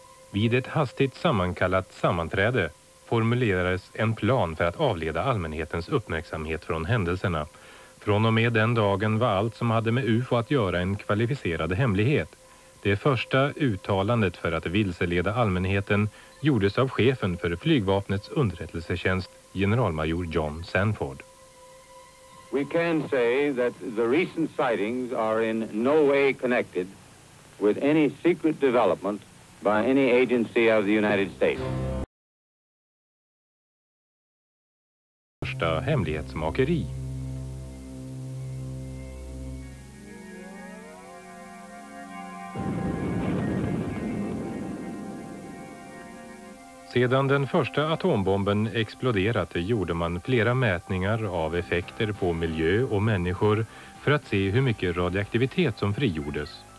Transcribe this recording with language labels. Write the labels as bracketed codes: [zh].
[sv] Vid ett hastigt sammankallat sammanträde formulerades en plan för att avleda allmänhetens uppmärksamhet från händelserna. Från och med den dagen var allt som hade med UFO att göra en kvalificerad hemlighet. Det första uttalandet för att vilseleda allmänheten gjordes av chefen för flygvapnets underrättelsetjänst, generalmajor John Sanford. [en] We can say that the recent sightings are in no way connected with any secret development by any agency of the United States. [sv] Första hemlighetsmakeri. Sedan den första atombomben exploderat gjorde man flera mätningar av effekter på miljö och människor för att se hur mycket radioaktivitet som frigjordes.